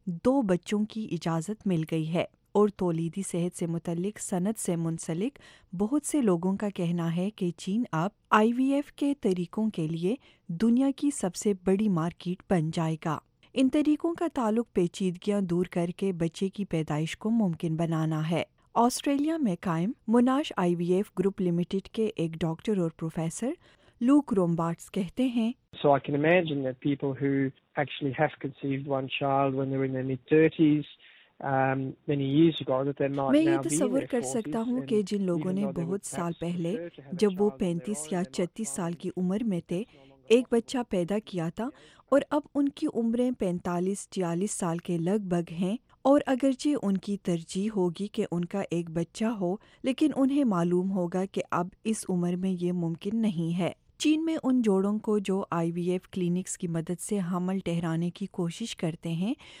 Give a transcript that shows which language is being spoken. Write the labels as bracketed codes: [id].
[ur] 2 بچوں کی اجازت مل گئی ہے اور تولیدی صحت سے متعلق صنعت سے منسلک بہت سے لوگوں کا کہنا ہے کہ چین اب آئی وی ایف کے طریقوں کے لیے دنیا کی سب سے بڑی مارکیٹ بن جائے گا۔ ان طریقوں کا تعلق پیچیدگیاں دور کر کے بچے کی پیدائش کو ممکن بنانا ہے۔ آسٹریلیا میں قائم موناش آئی وی ایف گروپ لمیٹڈ کے ایک ڈاکٹر اور پروفیسر لوک رومبارٹس کہتے ہیں [en] So I can imagine that people who actually have conceived one child when they were in their mid-30s [ur] میں یہ تصور کر سکتا ہوں کہ جن لوگوں نے بہت سال پہلے جب وہ 35 یا 36 سال کی عمر میں تھے ایک بچہ پیدا کیا تھا اور اب ان کی عمریں 45-46 سال کے لگ بھگ ہیں، اور اگرچہ ان کی ترجیح ہوگی کہ ان کا ایک بچہ ہو لیکن انہیں معلوم ہوگا کہ اب اس عمر میں یہ ممکن نہیں ہے۔ چین میں ان جوڑوں کو جو آئی وی ایف کلینکس کی مدد سے حمل ٹھہرانے کی کوشش کرتے ہیں